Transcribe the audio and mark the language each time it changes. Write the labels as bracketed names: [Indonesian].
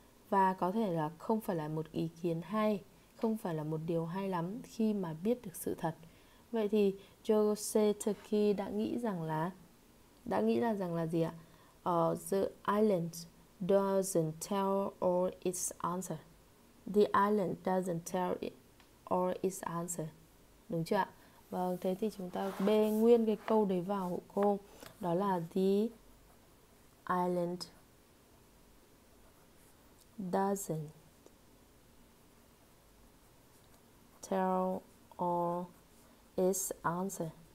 [Vietnamese] Và có thể là không phải là một ý kiến hay, không phải là một điều hay lắm khi mà biết được sự thật. Vậy thì Jose Turkey đã nghĩ rằng là gì ạ? [English] The island doesn't tell all its answer. The island doesn't tell it all its answer. [Vietnamese] Đúng chưa ạ? Vâng, thế thì chúng ta bê nguyên cái câu đấy vào hộ cô. Đó là [English] the island doesn't tell all its answer.